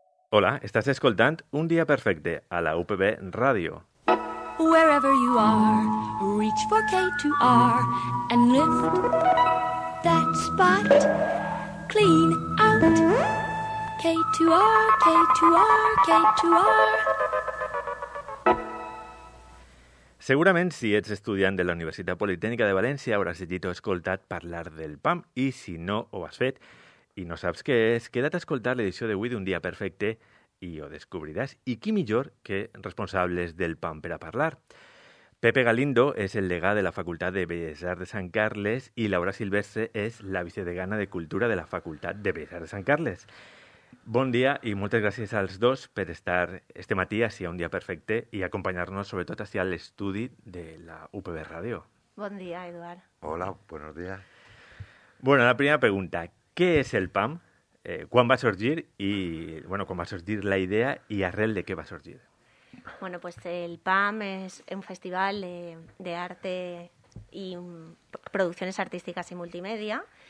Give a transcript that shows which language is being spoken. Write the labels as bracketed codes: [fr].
[ca] Hola, estàs escoltant Un dia perfecte a la UPB Ràdio. [en] Wherever you are, reach for K2R and lift that spot clean out. K2R, K2R, K2R. [ca] Segurament, si ets estudiant de la Universitat Politècnica de València, hauràs llegit o escoltat parlar del PAM, i si no ho has fet i no saps què és, queda't a escoltar l'edició d'avui d'Un dia perfecte i ho descobriràs. I qui millor que responsables del PAM per a parlar? Pepe Galindo és el degà de la Facultat de Belles Arts de Sant Carles i Laura Silvestre és la vicedegana de Cultura de la Facultat de Belles Arts de Sant Carles. Bon dia i moltes gràcies als dos per estar este matí així a Un dia perfecte i acompanyar-nos sobretot així a l'estudi de la UPB Ràdio. Bon dia, Eduard. [es] Hola, buenos días. [ca] Bueno, la primera pregunta. Què és el PAM? Quan va sorgir i, bueno, quan va sorgir la idea i arrel de què va sorgir? [es] Bueno, pues el PAM és un festival de arte i producciones artísticas y multimedia.